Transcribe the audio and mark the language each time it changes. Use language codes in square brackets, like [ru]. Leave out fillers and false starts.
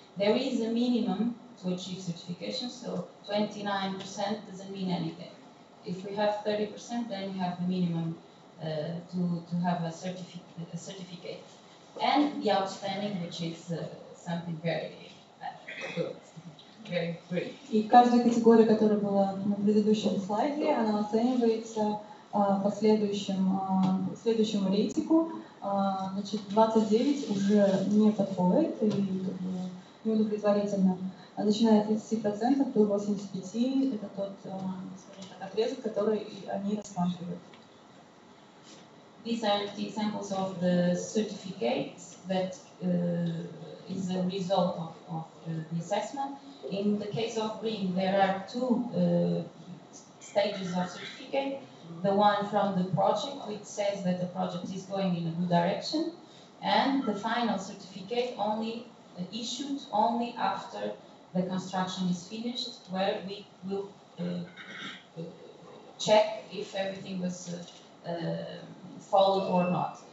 [en] There is a minimum to achieve certification, so 29% doesn't mean anything. If we have 30%, then you have the minimum to have a certificate. And the outstanding, which is something very good. [ru] И каждая категория, которая была на предыдущем слайде, она оценивается по следующему рейтингу. Значит, 29 уже не подходит и неудовлетворительно. Начиная от 30% до 85%, это тот, скажем так, отрезок, который они рассматривают. [en] These are the examples of the certificates that is a result of the assessment. In the case of green, there are two stages of certificate. the one from the project, which says that the project is going in a good direction, and the final certificate only issued only after the construction is finished, where we will check if everything was followed or not.